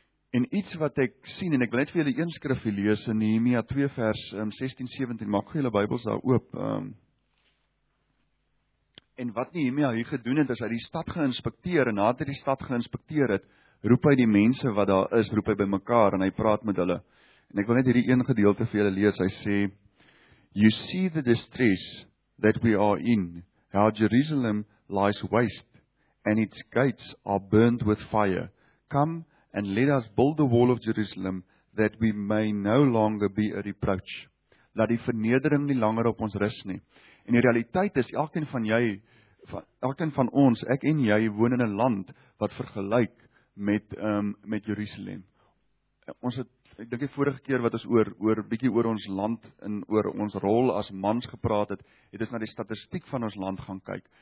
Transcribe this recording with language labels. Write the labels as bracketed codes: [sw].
[af] En iets wat ek sien, en ek wil net vir julle een skrifgie lees in Nehemia 2 vers 16-17, maak gou julle Bybels daar oop. En wat Nehemia hier gedoen het, is hy die stad geïnspekteer, en nadat hy die stad geïnspekteer het, roep hy die mense wat daar is, roep hy bymekaar en hy praat met hulle. En ek wil net hierdie een gedeelte vir julle lees. Hy sê, [en] "You see the distress that we are in, how Jerusalem lies waste, and its gates are burned with fire. Come and let us build the wall of Jerusalem, that we may no longer be a reproach." [af] Laat die vernedering nie langer op ons rus nie. En die realiteit is, elkeen van ons, ek en jy, woon in 'n land wat vergelyk met Jerusalem. Ons het, ek dink die vorige keer wat ons oor bietjie oor ons land en oor ons rol as mans gepraat het, het ons na die statistiek van ons land gaan kyk.